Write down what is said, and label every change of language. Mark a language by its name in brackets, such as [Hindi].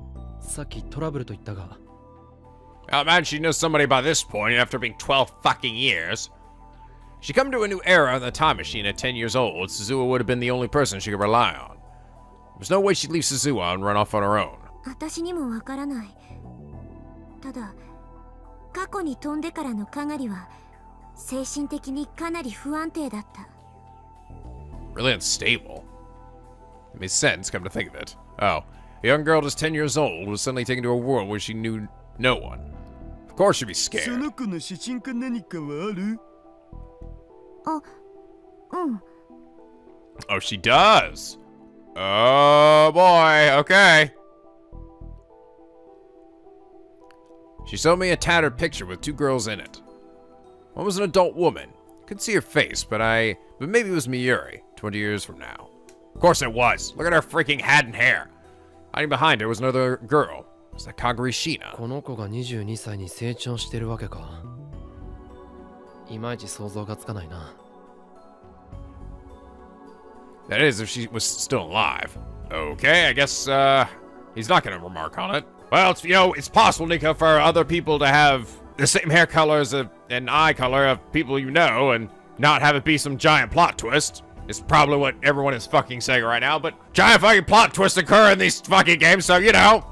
[Japanese] この時代には知り合いなんているはずもないから、きっとずっと心細い思いをしてるはずなんだ。その子はどうしてはぐれてしまったんだ?さっきトラブルと言ったが。 [English] I imagine she knows somebody by this point after being 12 fucking years. She come to a new era in the time machine at 10 years old, Suzuha would have been the only person she could rely on. There's no way she'd leave Suzuha and run off on her own. [Japanese] 私にもわからない。ただ 過去に飛んでからのカガリは精神的にかなり不安定だった。 [English] Really unstable. It made sense, come to think of it. Oh, a young girl just 10 years old was suddenly taken to a world where she knew no one. Of course she'd be scared. [Japanese] その子の写真か何かはある? [English] Oh, she does. Oh boy, okay. She showed me a tattered picture with two girls in it. One was an adult woman. Couldn't see her face, but maybe it was Miyuri, 20 years from now. Of course it was. Look at her freaking hat and hair. Hiding behind her was another girl. It was that Kagari Shina. [Japanese] この子が22歳に成長してるわけか。いまいち想像がつかないな。 [English] That is, if she was still alive. Okay, I guess, he's not gonna remark on it. Well, it's, you know, it's possible, Nico, for other people to have the same hair color as an eye color of people you know and not have it be some giant plot twist. It's probably what everyone is fucking saying right now, but giant fucking plot twists occur in these fucking games, so, you know.